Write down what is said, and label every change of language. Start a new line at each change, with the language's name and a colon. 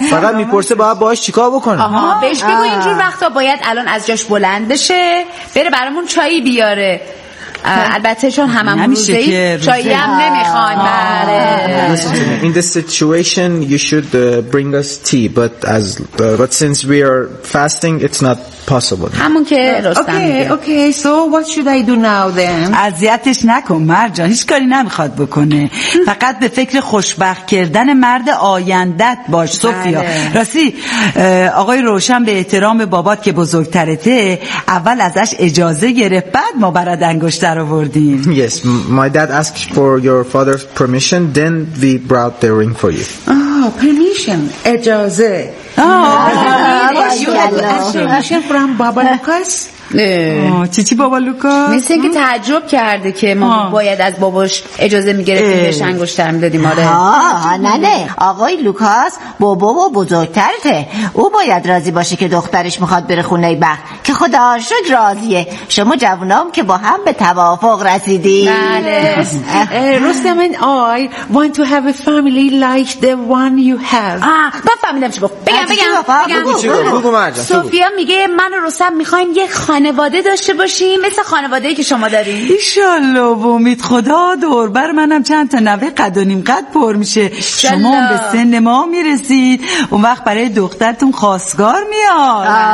Persian: فقط میپرسه باید باهاش چیکار بکنه. بهش بگو اینجور وقتا باید الان از جاش بلند بشه بره برامون چایی بیاره. البته چون هممون روزه‌ای چایی هم نمیخوان. بله.
English: In this situation you should bring us tea but since we are fasting it's not possible.
Persian: همون که رستم میگه.
English: Okay, so what should I do now then?
Persian: اذیتش نکن مرجان، هیچ کاری نمیخواد بکنه. فقط به فکر خوشبخت کردن مرد آیندت باش سوفیا. راستی آقای روشن به احترام بابات که بزرگترته اول ازش اجازه گرفت بعد ما برات انگشتر آوردیم.
English: Yes, my dad asked for your father's permission then we brought the ring for you. Permission. اجازه. Permission from Baba Lucas.
Persian: چی چی بابا لوکاس؟ مثل اینکه تعجب کرده که ما باید از باباش اجازه میگرفتیم بهش انگشتر میدادیم. آره. نه آقای لوکاس بابا و بزرگترته، او باید راضی باشه که دخترش میخواد بره خونه بخت، که خدا شکر راضیه. شما جوانام که با هم به توافق رسیدی. بله.
English: Rostam and I want to have a family like the one you have.
Persian: بفهمیدم چی گفت. بگم سوفیا میگه من و رستم میخواییم یه خانواده داشته باشیم مثل خانواده‌ای که شما دارین. ایشالله و امید خدا دور بر منم چند تا نوه قد و نیم قد پر میشه. شما به سن ما میرسید اون وقت برای دخترتون خواستگار میاد.